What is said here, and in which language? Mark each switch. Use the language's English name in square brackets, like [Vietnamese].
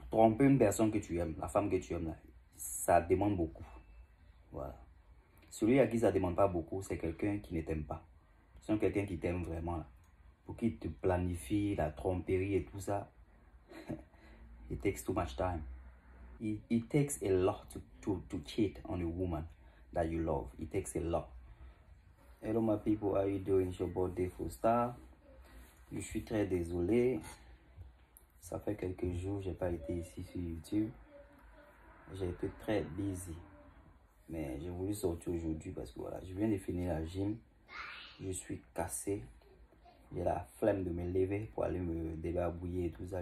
[French] Tromper une personne que tu aimes, la femme que tu aimes, là, ça demande beaucoup. Voilà. Celui à qui ça ne demande pas beaucoup, c'est quelqu'un qui ne t'aime pas. C'est quelqu'un qui t'aime vraiment. Là. Pour qu'il te planifie la tromperie et tout ça, [English] it takes too much time. It takes a lot to cheat on a woman that you love. It takes a lot. Hello my people, how are you doing? It's your birthday full star. [French] Je suis très désolé. Ça fait quelques jours, j'ai pas été ici sur YouTube. J'ai été très busy. Mais j'ai voulu sortir aujourd'hui parce que voilà, je viens de finir la gym. Je suis cassé. J'ai la flemme de me lever pour aller me débarbouiller et tout ça.